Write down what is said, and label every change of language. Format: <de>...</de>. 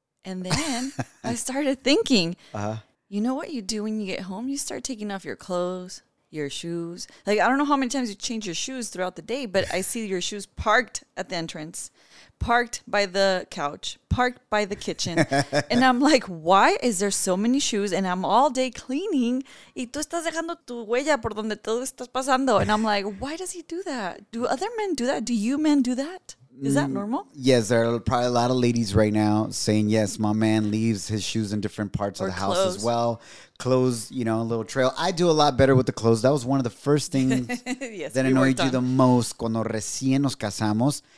<en>And then I started thinking, you know what you do when you get home? You start taking off your clothes, your shoes. Like, I don't know how many times you change your shoes throughout the day, but I see your shoes parked at the entrance, parked by the couch, parked by the kitchen. And I'm like, why is there so many shoes? And I'm all day cleaning.</en> <es>Y tú estás dejando tu huella por donde todo estás pasando.</es> <en>And I'm like, why does he do that? Do other men do that? Do you men do that? Is that normal? Yes, there are probably a lot of ladies right now saying, yes, my man leaves his shoes in different parts of the house as well. Clothes, you know, a little trail. I do a lot better with the clothes. That was one of the first things that annoyed you the most</en> <es>cuando recién nos casamos.</es>